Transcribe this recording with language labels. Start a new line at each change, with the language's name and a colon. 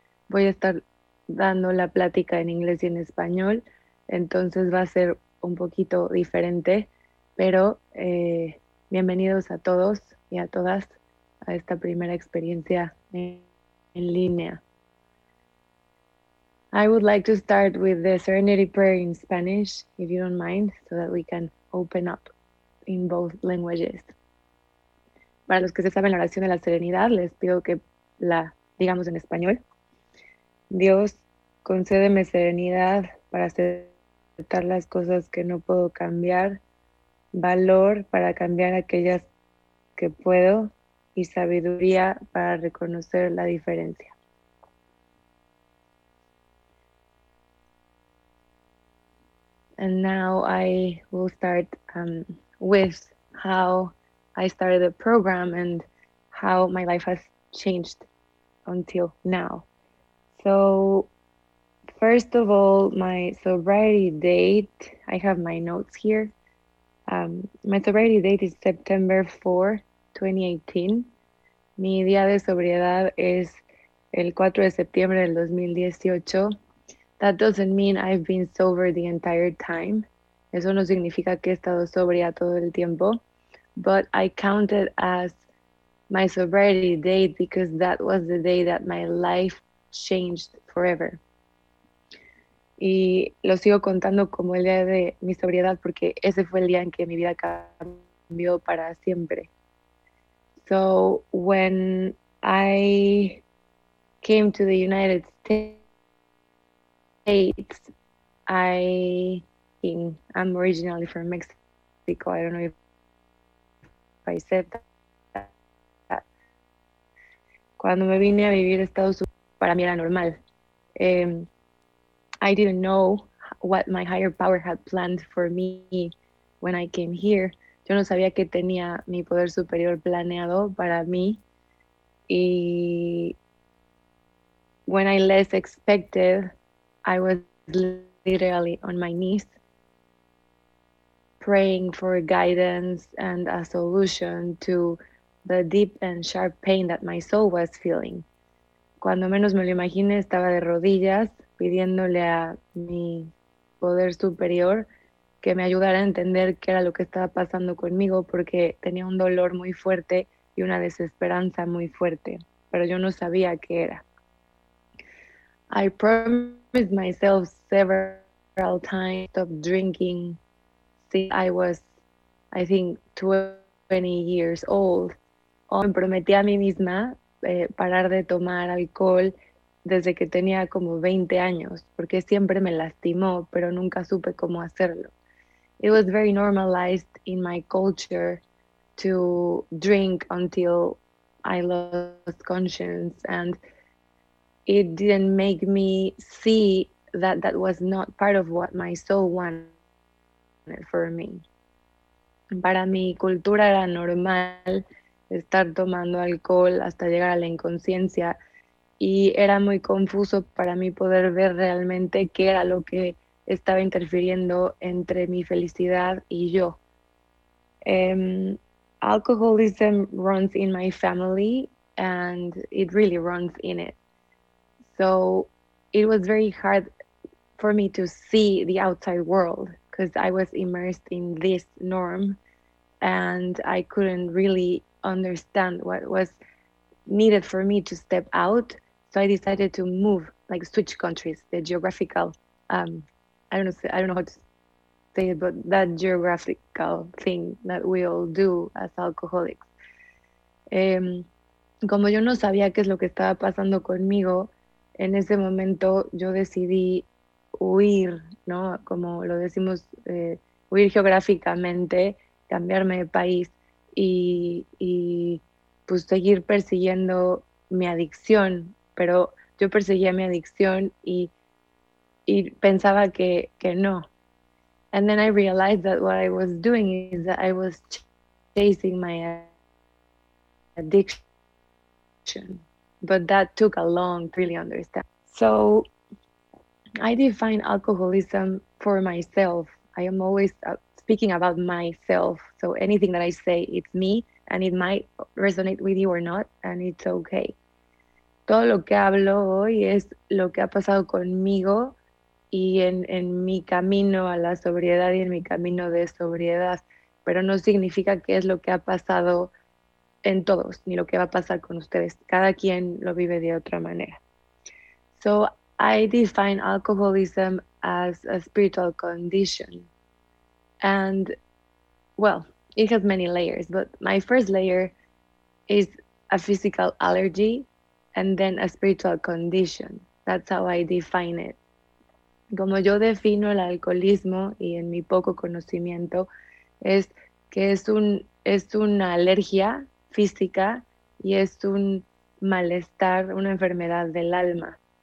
Spanish: Voy a estar dando la plática en inglés y en español, entonces va a ser un poquito diferente, pero bienvenidos a todos y a todas a esta primera experiencia en línea.
English: I would like to start with the Serenity Prayer in Spanish, if you don't mind, so that we can open up in both languages.
Spanish: Para los que se saben la oración de la serenidad, les pido que la digamos en español. Dios, concédeme serenidad para aceptar las cosas que no puedo cambiar, valor para cambiar aquellas que puedo y sabiduría para reconocer la diferencia.
English: And now I will start with how I started the program and how my life has changed until now. So, first of all, my sobriety date, I have my notes here. My sobriety date is September 4, 2018.
Spanish: Mi día de sobriedad es el 4 de septiembre del 2018.
English: That doesn't mean I've been sober the entire time.
Spanish: Eso no significa que he estado sobria todo el tiempo.
English: But I count it as my sobriety date because that was the day that my life changed forever.
Spanish: Y lo sigo contando como el día de mi sobriedad porque ese fue el día en que mi vida cambió para siempre.
English: So when I came to the United States, I'm originally from Mexico. I don't know if I said that.
Spanish: Cuando me vine a vivir a Estados Unidos, para mí era normal.
English: I didn't know what my higher power had planned for me when I came here.
Spanish: Yo no sabía qué tenía mi poder superior planeado para mí.
English: Y when I less expected, I was literally on my knees praying for guidance and a solution to the deep and sharp pain that my soul was feeling.
Spanish: Cuando menos me lo imaginé, estaba de rodillas pidiéndole a mi poder superior que me ayudara a entender qué era lo que estaba pasando conmigo porque tenía un dolor muy fuerte y una desesperanza muy fuerte, pero yo no sabía qué era.
English: Promised myself several times to stop drinking since I was, I think, 20 years old.
Spanish: O me prometí a mí misma parar de tomar alcohol desde que tenía como 20 años, porque siempre me lastimó, pero nunca supe cómo hacerlo.
English: It was very normalized in my culture to drink until I lost conscience and it didn't make me see that that was not part of what my soul wanted for me.
Spanish: Para mi cultura era normal estar tomando alcohol hasta llegar a la inconsciencia y era muy confuso para mí poder ver realmente qué era lo que estaba interfiriendo entre mi felicidad y yo.
English: Alcoholism runs in my family and it really runs in it. So it was very hard for me to see the outside world because I was immersed in this norm and I couldn't really understand what was needed for me to step out. So I decided to move, like switch countries, the geographical, I don't know how to say it, but that geographical thing that we all do as alcoholics.
Spanish: Como yo no sabía qué es lo que estaba pasando conmigo, en ese momento yo decidí huir, ¿no? Como lo decimos, huir geográficamente, cambiarme de país y pues seguir persiguiendo mi adicción. Pero yo perseguía mi adicción y pensaba que no.
English: And then I realized that what I was doing is that I was ch chasing my addiction. But that took a long to really understand. So I define alcoholism for myself. I am always speaking about myself. So anything that I say, it's me, and it might resonate with you or not, and it's okay.
Spanish: Todo lo que hablo hoy es lo que ha pasado conmigo y en mi camino a la sobriedad y en mi camino de sobriedad, pero no significa que es lo que ha pasado en todos, ni lo que va a pasar con ustedes. Cada quien lo vive de otra manera.
English: So I define alcoholism as a spiritual condition. And well, it has many layers, but my first layer is a physical allergy and then a spiritual condition. That's how I define it.
Spanish: Como yo defino el alcoholismo y en mi poco conocimiento, es que es una alergia física y es un malestar, una enfermedad del alma.